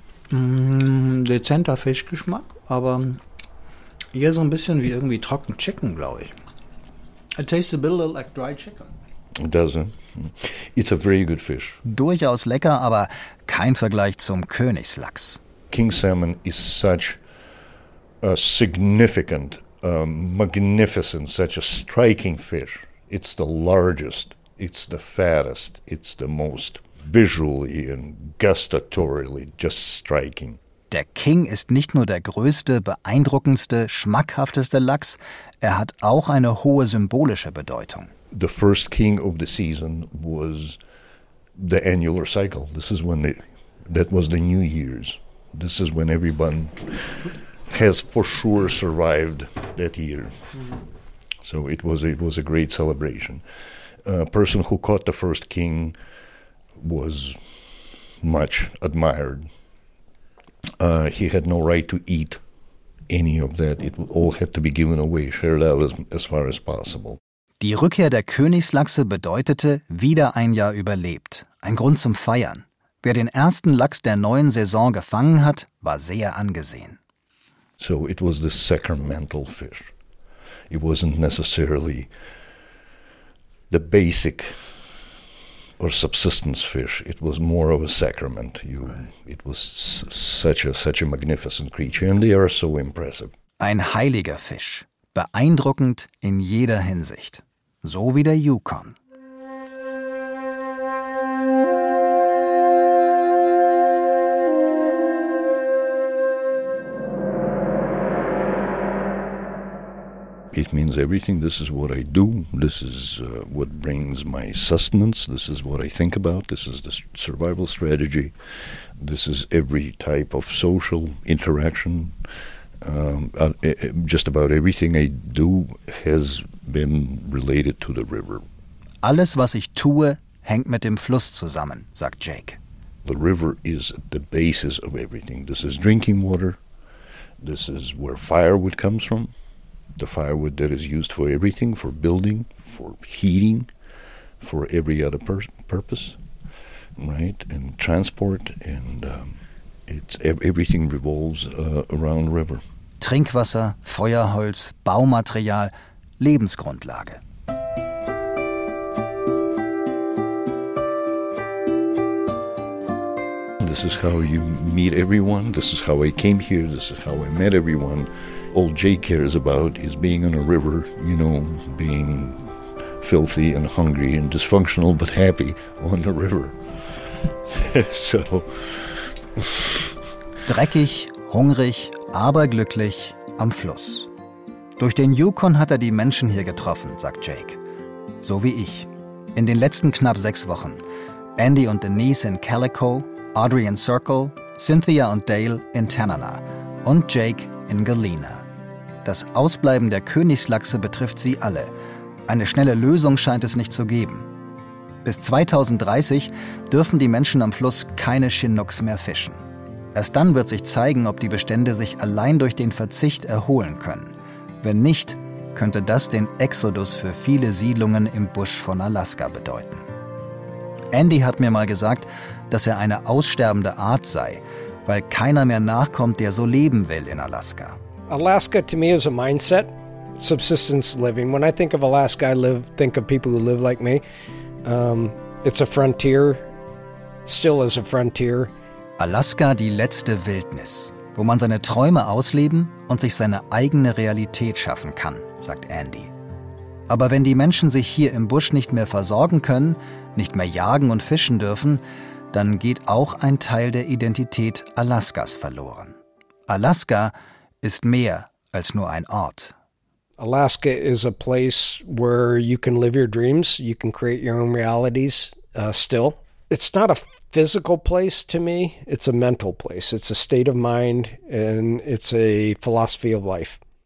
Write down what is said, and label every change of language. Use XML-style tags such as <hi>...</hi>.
<de>Dezenter Fischgeschmack, aber hier so ein bisschen wie irgendwie trocken Chicken, glaube ich.</de> <en>It tastes a bit little like dry chicken. It doesn't. It's a very good fish.</en> <de>Durchaus lecker, aber kein Vergleich zum Königslachs.</de> <en>King salmon is such a significant, magnificent, such a striking fish. It's the largest, it's the fattest, it's the most visually and gustatorily just striking.</en> <de>Der King ist nicht nur der größte, beeindruckendste, schmackhafteste Lachs, er hat auch eine hohe symbolische Bedeutung.</de> <en>The first king of the season was the annular cycle. This is when that was the New Year's. This is when everyone has for sure survived that year. So it was a great celebration. A person who caught the first king was much admired. He had no right to eat any of that. It all had to be given away, shared out as far as possible.</en> <de>Die Rückkehr der Königslachse bedeutete, wieder ein Jahr überlebt. Ein Grund zum Feiern. Wer den ersten Lachs der neuen Saison gefangen hat, war sehr angesehen.</de> <en>So it was the sacramental fish. It wasn't necessarily the basic or subsistence fish. It was more of a sacrament. It was such a magnificent creature, and they are so impressive.</en> <de>Ein heiliger Fisch, beeindruckend in jeder Hinsicht, so wie der Yukon.</de> <en>It means everything. This is what I do. This is what brings my sustenance. This is what I think about. This is the survival strategy. This is every type of social interaction. Just about everything I do has been related to the river.</en> <de>Alles, was ich tue, hängt mit dem Fluss zusammen, sagt Jake.</de> <en>The river is the basis of everything. This is drinking water. This is where firewood comes from. the firewood that is used for everything, for building, for heating, for every other purpose, right? And transport, and it's everything revolves around the river.</en> <de>Trinkwasser, Feuerholz, Baumaterial, Lebensgrundlage.</de> <en>This is how you meet everyone. This is how I came here. This is how I met everyone. All Jay cares about is being on a river, you know, being filthy and hungry and dysfunctional, but happy on the river. So.</en> <de>Dreckig, hungrig, aber glücklich am Fluss. Durch den Yukon hat er die Menschen hier getroffen, sagt Jake. So wie ich. In den letzten knapp 6 Wochen. Andy und Denise in Calico, Audrey in Circle, Cynthia und Dale in Tanana und Jake in Galena. Das Ausbleiben der Königslachse betrifft sie alle. Eine schnelle Lösung scheint es nicht zu geben. Bis 2030 dürfen die Menschen am Fluss keine Chinooks mehr fischen. Erst dann wird sich zeigen, ob die Bestände sich allein durch den Verzicht erholen können. Wenn nicht, könnte das den Exodus für viele Siedlungen im Busch von Alaska bedeuten. Andy hat mir mal gesagt, dass er eine aussterbende Art sei, weil keiner mehr nachkommt, der so leben will in Alaska.</de> <en>Alaska to me is a mindset, subsistence living. When I think of Alaska, I think of people who live like me. It's a frontier, still is a frontier.</en> <de>Alaska, die letzte Wildnis, wo man seine Träume ausleben und sich seine eigene Realität schaffen kann, sagt Andy. Aber wenn die Menschen sich hier im Busch nicht mehr versorgen können, nicht mehr jagen und fischen dürfen, dann geht auch ein Teil der Identität Alaskas verloren. Alaska ist mehr als nur ein Ort.</de> <en>Alaska is a place where you can live your dreams, you can create your own realities still. It's not a physical place to me, it's a mental place. It's a state of mind and it's a philosophy of life.</en>